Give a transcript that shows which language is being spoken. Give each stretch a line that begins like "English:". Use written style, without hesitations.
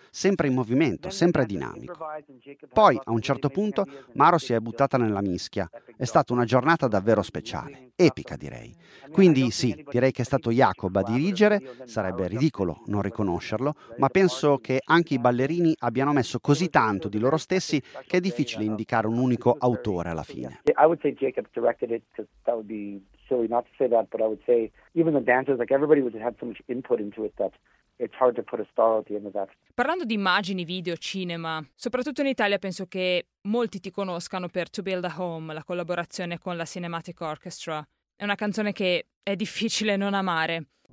Italian: Sempre in movimento, sempre dinamico. Poi, a un certo punto, Maro si è buttata nella mischia. È stata una giornata davvero speciale, epica direi. Quindi sì, direi che è stato Jacob a dirigere, sarebbe ridicolo non riconoscerlo, ma penso che anche i ballerini abbiano messo così tanto di loro stessi che è difficile indicare un unico autore alla fine.
English: I would say Jacob directed it, because that would be silly not to say that, but I would say even the dancers, like everybody would have so much input into it that it's hard to put a star at the end of that.
Italian: Parlando di immagini, video, cinema, soprattutto in Italia penso che molti ti conoscano per To Build a Home, la collaborazione con la Cinematic Orchestra. È una canzone che è difficile non amare.